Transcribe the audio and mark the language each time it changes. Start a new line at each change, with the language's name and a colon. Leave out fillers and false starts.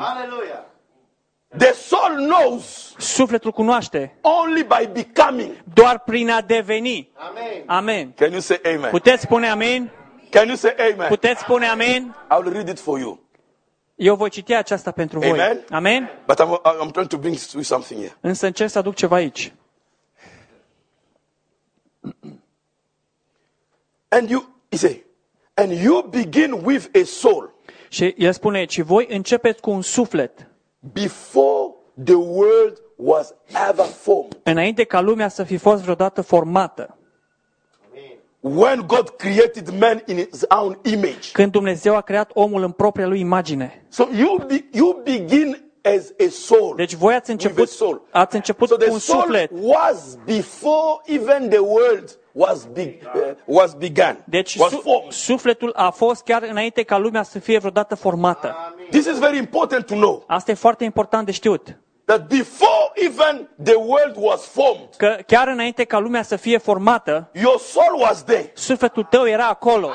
English: Hallelujah. The soul knows.
Romanian: Sufletul cunoaște.
English: Only by becoming.
Romanian: Doar prin a deveni. Amen. Amen.
English: Can you say amen?
Romanian: Puteți spune amen?
English: Can you say amen?
Romanian: Puteți spune amen?
English: I will read it for you.
Romanian: Eu voi citi aceasta pentru amen. Voi. Amen.
English: But I'm trying to bring you something here.
Romanian: Însă încerc să aduc ceva aici.
English: And you say, and you begin with a soul.
Romanian: Și el spune, și voi începeți cu un suflet.
English: Before the world was ever formed.
Romanian: Înainte ca lumea să fi fost vreodată formată.
English: When God created man in his own image.
Romanian: Când Dumnezeu a creat omul în propria lui imagine.
English: So you begin as a soul.
Romanian: Deci voi ați început
English: with a soul.
Romanian: Ați început
English: so the
Romanian: cu un suflet.
English: Soul was before even the world was began.
Romanian: Deci
English: was formed.
Romanian: Sufletul a fost chiar înainte ca lumea să fie vreodată formată.
English: Amin. This is very important to know.
Romanian: Asta e foarte important de știut.
English: That before even the world was formed.
Romanian: Că chiar înainte ca lumea să fie formată.
English: Your soul was there.
Romanian: Sufletul tău era acolo.